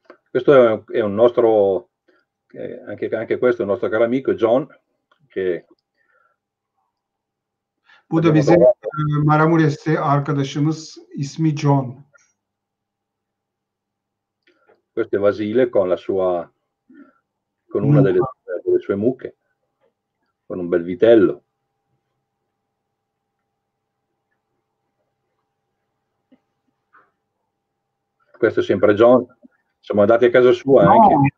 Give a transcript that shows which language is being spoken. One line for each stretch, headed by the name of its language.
Italian: Questo è un nostro, anche questo è un nostro caro amico, John, che...
Turkish: Bu da bizim Maramures'te arkadaşımız, ismi John.
Italian: Questo è Vasile con la sua, con una delle sue mucche, con un bel vitello. Questo è sempre John. Siamo andati a casa sua, no, anche.